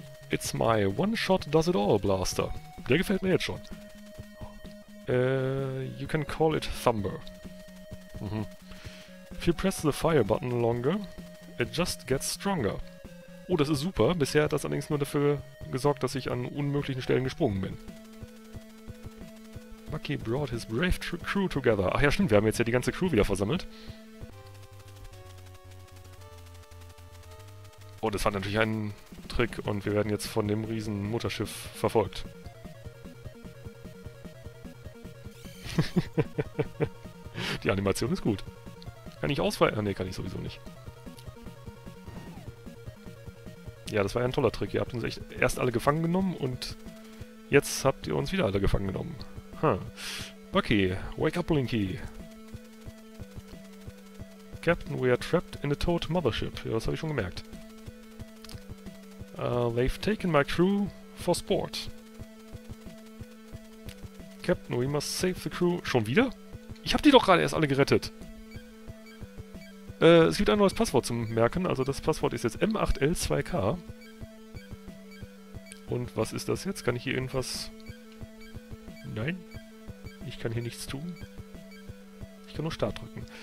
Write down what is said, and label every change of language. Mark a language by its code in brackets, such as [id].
[en] It's my one-shot-does-it-all blaster. [de] Der gefällt mir jetzt schon. [en] You can call it Thumber. Mhm. If you press the fire button longer, it just gets stronger. [de] Oh, das ist super. Bisher hat das allerdings nur dafür gesorgt, dass ich an unmöglichen Stellen gesprungen bin. [en] Bucky brought his brave crew together. [de] Ach ja, stimmt, wir haben jetzt ja die ganze Crew wieder versammelt. Oh, das war natürlich ein Trick und wir werden jetzt von dem riesen Mutterschiff verfolgt. Die Animation ist gut. Kann ich ausweichen? Ne, kann ich sowieso nicht. Ja, das war ja ein toller Trick. Ihr habt uns echt erst alle gefangen genommen und jetzt habt ihr uns wieder alle gefangen genommen. [en] Bucky, wake up, Blinky. Captain, we are trapped in a toad mothership. [de] Ja, das habe ich schon gemerkt. [en] They've taken my crew for sport. Captain, we must save the crew. [de] Schon wieder? Ich habe die doch gerade erst alle gerettet. Es gibt ein neues Passwort zum Merken. Also das Passwort ist jetzt M8L2K. Und was ist das jetzt? Kann ich hier irgendwas... Nein. Ich kann hier nichts tun. Ich kann nur Start drücken.